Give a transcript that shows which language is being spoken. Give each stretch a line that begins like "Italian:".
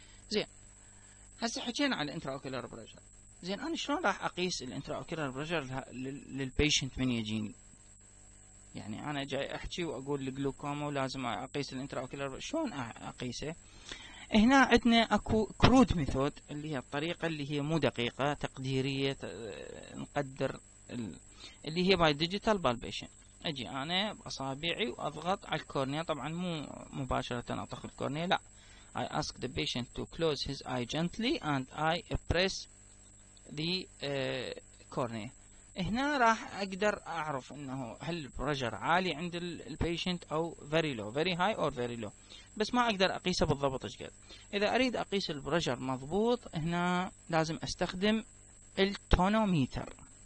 Arabic: زين هسه حكينا على الانترا اوكيلر بريشر، زين انا شلون راح اقيس الانترا اوكيلر بريشر للبيشنت من يجيني؟ يعني انا جاي احكي واقول الجلوكوما ولازم اقيس الانترا اوكيلر، شلون اقيسه؟ هنا عندنا اكو كرود ميثود اللي هي الطريقه اللي هي مو دقيقه تقديريه نقدر اللي هي باي ديجيتال بالبيشن. اجي انا باصابعي واضغط على الكورنيا، طبعا مو مباشره اطخ الكورنيا، لا.
English: I ask the patient to close his eye gently and I press the cornea.
Arabic: هنا راح اقدر اعرف انه هل البرجر عالي عند البيشنت او فيري لو،
English: very high or very low,
Arabic: بس ما اقدر اقيسه بالضبط ايش قد. اذا اريد اقيس البرجر مضبوط هنا لازم استخدم التونوميتر.